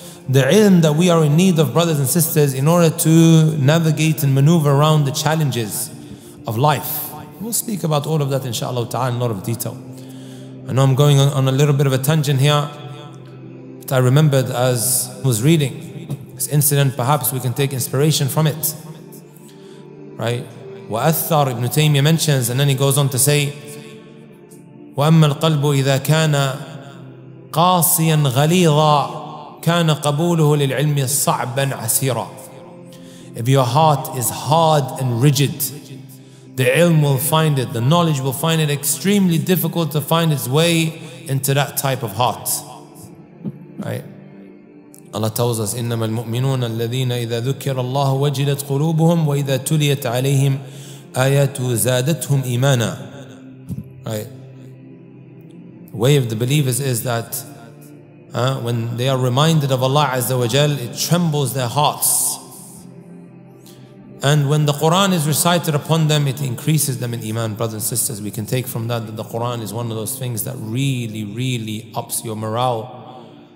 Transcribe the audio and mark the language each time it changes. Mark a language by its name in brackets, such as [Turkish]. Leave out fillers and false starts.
[English] The ilm that we are in need of, brothers and sisters, in order to navigate and maneuver around the challenges of life. We'll speak about all of that, inshallah ta'ala, in a lot of detail. I know I'm going on a little bit of a tangent here, but I remembered as I was reading this incident, perhaps we can take inspiration from it. Right? [Arabic] وَأَثَّرْ [English] Ibn Taymiyyah mentions, and then he goes on to say, [Arabic] وَأَمَّا الْقَلْبُ إِذَا كَانَ قَاسِيًا غَلِيظًا كَانَ قَبُولُهُ لِلْعِلْمِ صَعْبًا عَسِيرًا. [English] If your heart is hard and rigid, the ilm will find it, the knowledge will find it extremely difficult to find its way into that type of heart. Right? Allah tells us, [Arabic] إِنَّمَا الْمُؤْمِنُونَ الَّذِينَ إِذَا ذُكِّرَ اللَّهُ وَجِلَتْ قُلُوبُهُمْ وَإِذَا تُلِيَتْ عَلَيْهِمْ آيَاتُ زَادَتْهُمْ إِيمَانًا. [English] Right? Way of the believers is that when they are reminded of Allah Azza wa Jal, it trembles their hearts. And when the Quran is recited upon them, it increases them in iman. Brothers and sisters, we can take from that that the Quran is one of those things that really, really ups your morale.